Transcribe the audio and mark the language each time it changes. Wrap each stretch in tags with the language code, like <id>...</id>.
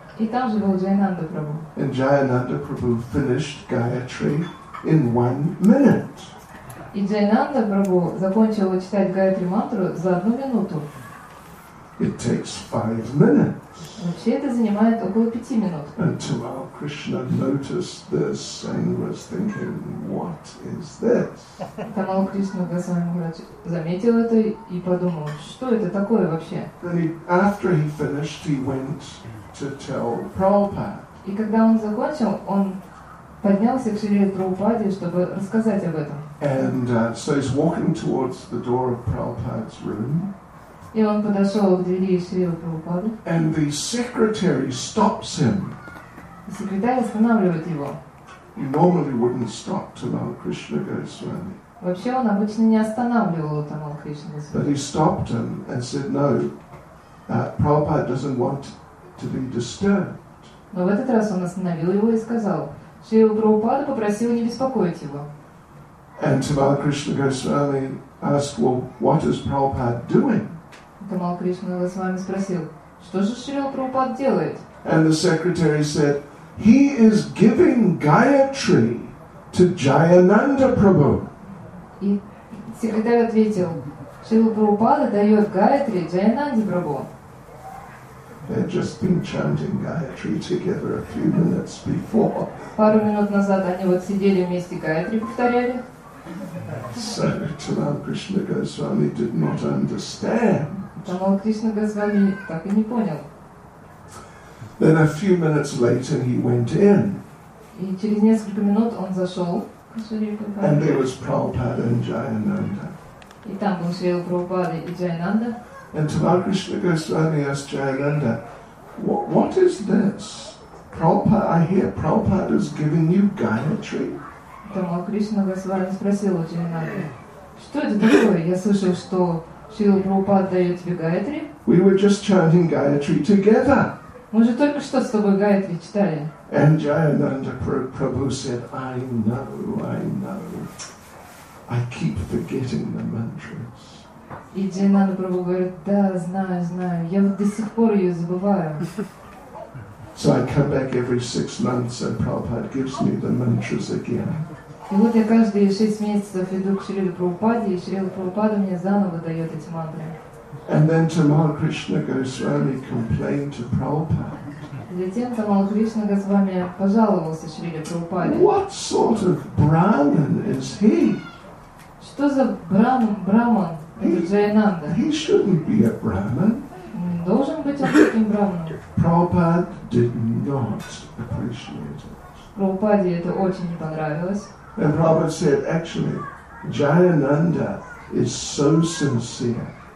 <ru>И там же был Джайананда Прабху.</ru> <en>And Jayananda Prabhu finished Gayatri in 1 minute.</en> <ru>И Джайананда Прабху закончил читать Гаятри мантру за 1 минуту.</ru> <en>It takes 5 minutes.</en> <ru>Вообще это занимает около 5 минут.</ru> <en>And Tamal Krishna noticed this and was thinking, what is this?</en> <ru>Тамал Кришна Госвами заметил это и подумал, что это такое вообще?</ru> <en>Then after he finished, he went to tell Prabhupada.</en> <ru>И когда он закончил, он поднялся к Шриле Прабхупаде, чтобы рассказать об этом.</ru> <en>And so he's walking towards the door of Prabhupada's room.</en> <ru>И он подошел к двери Шрилы Прабхупады.</ru> <en>And the secretary stops him.</en> <ru>Секретарь останавливает его.</ru> <en>He normally wouldn't stop to allow Krishna Goswami.</en> <ru>Вообще он обычно не останавливал Тамал Кришна Госвами.</ru> <en>But he stopped him and said, "No, Prabhupada doesn't want to be disturbed."</en> <ru>Но в этот раз он остановил его и сказал, Шрила Прабхупада попросил не беспокоить его.</ru> <en>And Tamal Krishna Goswami asked, "Well, what is Prabhupada doing?"</en> <ru>Тамал Кришна Госвами спросил, что же Шрила Прабхупада делает?</ru> <en>And the secretary said, "He is giving Gayatri to Jayananda Prabhu."</en> <ru>И секретарь ответил, Шрила Прабхупада дает Гаятри Джайананде Прабху.</ru> <en>They'd just been chanting Gayatri together a few minutes before.</en> <ru>Пару минут назад они вот сидели вместе Гаятри повторяли.</ru> <en>So Tamal Krishna Goswami did not understand.</en> <ru>Тамал Кришна Госвами так и не понял.</ru> <en>Then a few minutes later he went in.</en> <ru>И через несколько минут он зашел.</ru> <en>And there was Prabhupada and Jayananda.</en> <ru>И там был Шрила Прабхупада и Джайананда.</ru> <en>And Tamal Krishna Goswami asked Jayananda, "What is this? Prabhupada, I hear Prabhupada is giving you Gayatri."</en> <ru>Тамал Кришна Госвами спросил у Джайананды, "Что это такое? Я слышал, что Шрила Прабхупада дает тебе Гайатри."</ru> <en>"We were just chanting Gayatri together."</en> <ru>Мы же только что с тобой Гаятри читали.</ru> <en>And Jayananda Prabhu said, "I know, I know. I keep forgetting the mantras."</en> <ru>И Джайананда Прабху говорит, "Да, знаю, знаю. Я вот до сих пор ее забываю."</ru> <en>So I come back every 6 months and Prabhupada gives me the mantras again.</en> <ru>И вот я каждые 6 месяцев иду к Шриле Прабхупаде, и Шрила Прабхупада мне заново дает эти мантры.</ru> <en>And then Tamal Krishna Goswami complained to Prabhupada.</en> <ru>Затем Тамал Кришна Госвами пожаловался Шриле Прабхупаде.</ru> <en>What sort of Brahman is he?</en> <ru>Что за Брахман этот Джайананда?</ru> <en>He shouldn't be a Brahman.</en> <ru>Должен быть он таким Брахманом.</ru> <en>Prabhupada did not appreciate it.</en> <ru>Прабхупаде это очень не понравилось.</ru> <en>And Prabhupada said, "Actually, Jayananda is so sincere."</en>